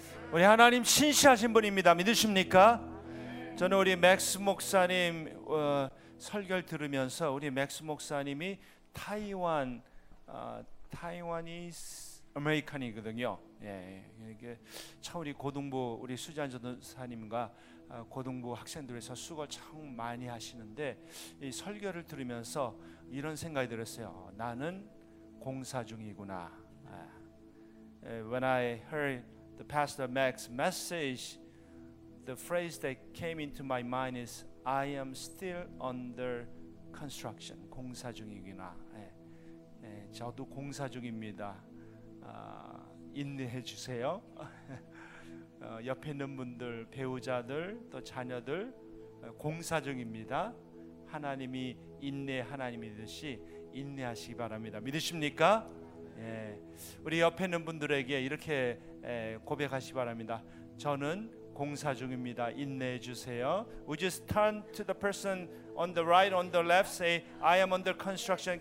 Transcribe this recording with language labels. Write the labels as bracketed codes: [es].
[ko] 우리 하나님 신실하신 분입니다. 믿으십니까? 저는 우리 맥스 목사님 설교를 들으면서 우리 맥스 목사님이 타이완이스 아메리칸이거든요. 예, 이게 참 우리 고등부 우리 수잔 전도사님과 고등부 학생들에서 수고를 참 많이 하시는데 이 설교를 들으면서 이런 생각이 들었어요. 나는 공사 중이구나. [en] When I heard the Pastor Max's message, the phrase that came into my mind is, I am still under construction. [ko] 공사 중이구나. 예, 예, 저도 공사 중입니다. 인내해 주세요. 옆에 있는 분들, 배우자들, 또 자녀들 공사 중입니다. 하나님이 인내 하나님이듯이 인내하시기 바랍니다. 믿으십니까? 예, 우리 옆에 있는 분들에게 이렇게 고백하시기 바랍니다. 저는 공사 중입니다. 인내해 주세요. [en] Would you turn to the person on the right, on the left, say, I am under construction.